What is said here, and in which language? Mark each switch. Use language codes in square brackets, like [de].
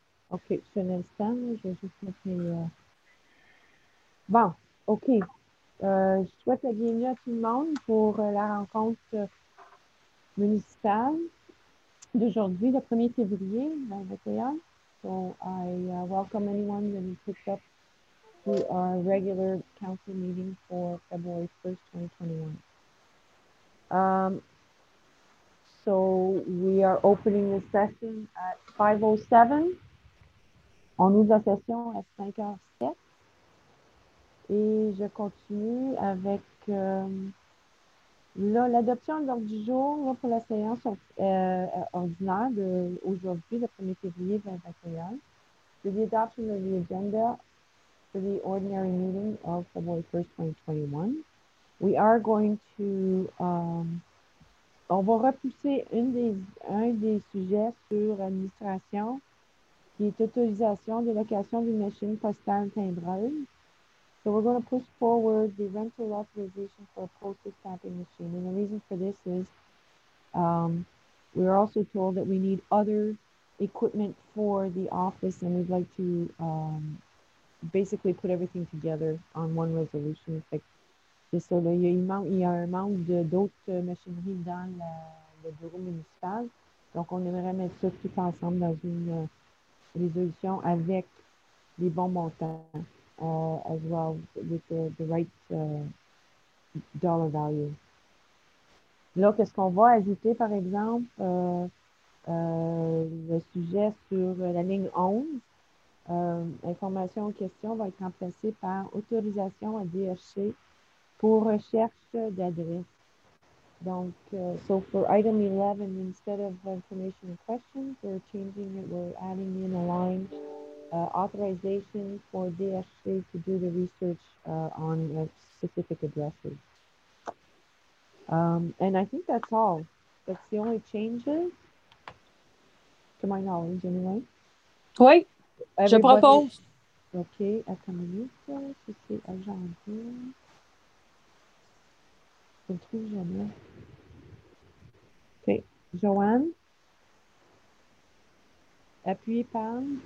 [fr] OK, juste un instant, je vais juste mettre mes... Bon, OK. Je souhaite la bienvenue à tout le monde pour la rencontre municipale d'aujourd'hui, le 1er février, 2021. [en] So, I welcome anyone that has picked up to our regular council meeting for February 1st, 2021. So, we are opening the session at 5:07. [fr] On ouvre la session à 5:07 et je continue avec l'adoption de l'ordre du jour là, pour la séance ordinaire d'aujourd'hui, le 1er février 2021. [en] For the adoption of the agenda for the ordinary meeting of February 1st, 2021. We are going to, [fr] on va repousser un des sujets sur l'administration qui est autorisation de location d'une machine postale timbreuse. [en] So we're going to push forward the rental authorization for a postage stamping machine. And the reason for this is we're also told that we need other equipment for the office, and we'd like to basically put everything together on one resolution. [fr] So il y a un manque d'autres machineries dans le bureau municipal. Donc on aimerait mettre ça tout ensemble dans une résolution avec les bons montants, [en] as well with the right dollar value. [fr] Là, qu'est-ce qu'on va ajouter, par exemple, le sujet sur la ligne 11, information en question va être remplacée par autorisation à DHC pour recherche d'adresse. [en] Donc, so for item 11, instead of information and questions, we're changing it, we're adding in a line, authorization for DHC to do the research on specific addresses. And I think that's all. That's the only changes, to my knowledge, anyway. [fr] Oui, je propose. Okay, à ta minute, je suis à janvier. Je ne trouve jamais. Okay. Joanne, appuie par.